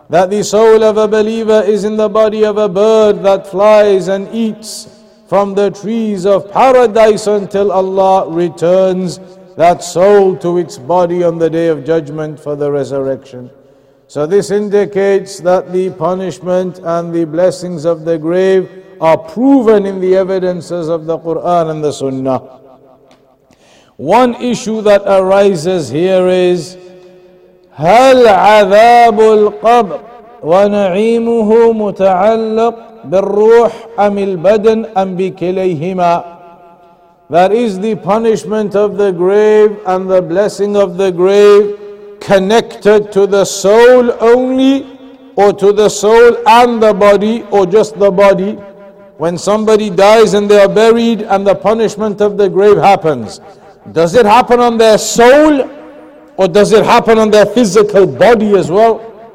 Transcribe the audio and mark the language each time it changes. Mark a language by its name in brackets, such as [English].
[English] That the soul of a believer is in the body of a bird that flies and eats from the trees of paradise until Allah returns that soul to its body on the day of judgment for the resurrection. So this indicates that the punishment and the blessings of the grave are proven in the evidences of the Quran and the Sunnah. One issue that arises here is, [Arabic] هل عذاب القبر ونعيمه متعلق بالروح أم البدن أم بكليهما? [English] That is, the punishment of the grave and the blessing of the grave connected to the soul only, or to the soul and the body, or just the body? When somebody dies and they are buried and the punishment of the grave happens, does it happen on their soul, or does it happen on their physical body as well?